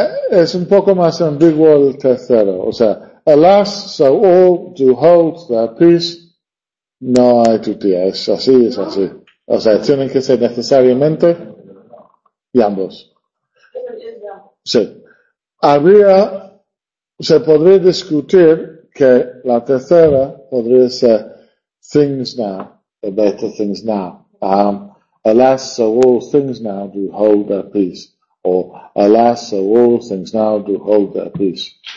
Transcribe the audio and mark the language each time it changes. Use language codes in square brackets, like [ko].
[es] Es un poco más ambiguo el tercero. O sea, [en] alas, so all, to hold, that peace. [es] No hay tutía, es así, es así. O sea, tienen que ser necesariamente y ambos. Sí. Habría, se podría discutir que la tercera podría ser [en] things now, the better things now. Alas, so all things now do hold their peace. O alas, so all things now do hold their peace.